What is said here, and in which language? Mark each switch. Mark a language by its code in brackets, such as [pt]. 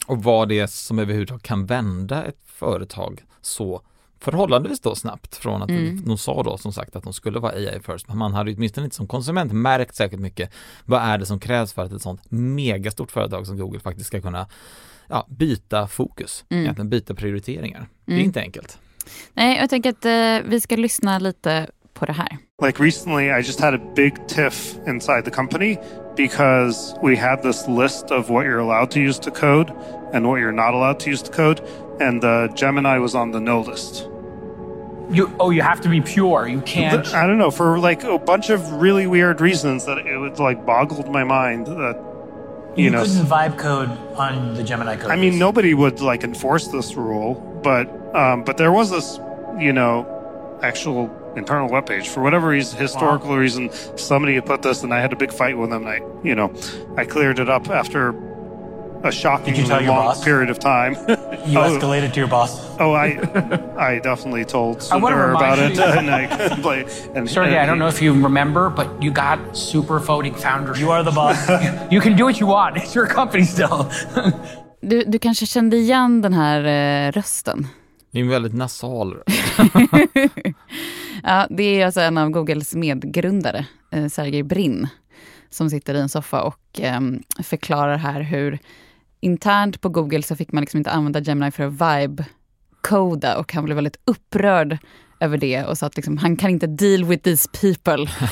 [sv] Och vad det är som överhuvudtaget kan vända ett företag så förhållandevis då snabbt från att de sa då som sagt att de skulle vara AI first. Men man hade ju åtminstone inte som konsument märkt säkert mycket vad är det som krävs för att ett sånt megastort företag som Google faktiskt ska kunna byta fokus, byta prioriteringar. Mm. Det är inte enkelt. Nej, jag tänker att vi ska lyssna lite på det här. [en] Like recently I just had a big tiff inside the company because we had this list of what you're allowed to use to code and what you're not allowed to use to code. And the Gemini was on the no list. You have to be pure. You can't. I don't know, for like a bunch of really weird reasons that it would like boggled my mind that you know. You couldn't vibe code on the Gemini code. I mean, nobody would like enforce this rule, but there was this, you know, actual internal webpage for whatever historical reason. Somebody had put this, and I had a big fight with them. I cleared it up after a shockingly long period of time. You escalated to your boss. Oh, I definitely told Sundar about it. I don't know if you remember, but you got super voting founder. You are the boss. You can do what you want. It's your company still. [sv] du kanske kände igen den här rösten. Det är en väldigt nasal. Ja, det är alltså en av Googles medgrundare, Sergey Brin, som sitter i en soffa och förklarar här hur internt på Google så fick man liksom inte använda Gemini för att vibe-coda, och han blev väldigt upprörd över det och sa att liksom, han kan inte deal with these people.